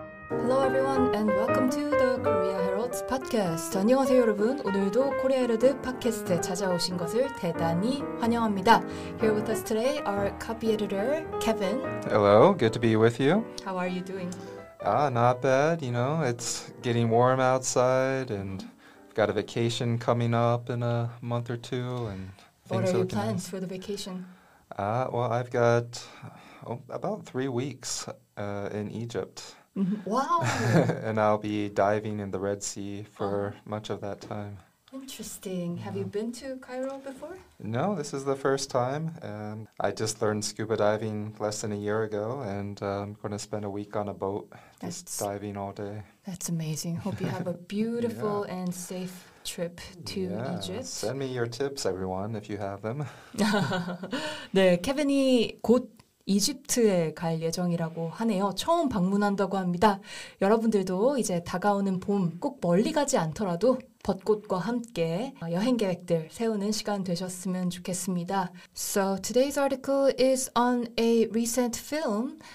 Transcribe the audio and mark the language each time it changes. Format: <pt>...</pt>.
<en>Hello everyone and welcome to the Korea Herald podcast.</en> <ko>안녕하세요 여러분. 오늘도 코리아 헤럴드 팟캐스트에 찾아오신 것을 대단히 환영합니다.</ko> <en>Here with us today, our copy editor, Kevin. Hello, good to be with you. How are you doing? Not bad. You know, it's getting warm outside and I've got a vacation coming up in a month or two. And things what are your plans for the vacation? Well, I've got about 3 weeks in Egypt. Wow. And I'll be diving in the Red Sea for much of that time. Interesting. Yeah. Have you been to Cairo before? No, this is the first time. And I just learned scuba diving less than a year ago, and I'm going to spend a week on a boat just diving all day. That's amazing. Hope you have a beautiful yeah. and safe trip to Egypt. Send me your tips, everyone, if you have them.</en> <ko>네, 케빈이 곧 이집트에 갈 예정이라고 하네요. 처음 방문한다고 합니다. 여러분들도 이제 다가오는 봄 꼭 멀리 가지 않더라도 벚꽃과 함께 여행 계획들 세우는 시간 되셨으면 좋겠습니다.</ko> <en>So today's article is on a recent film.</en>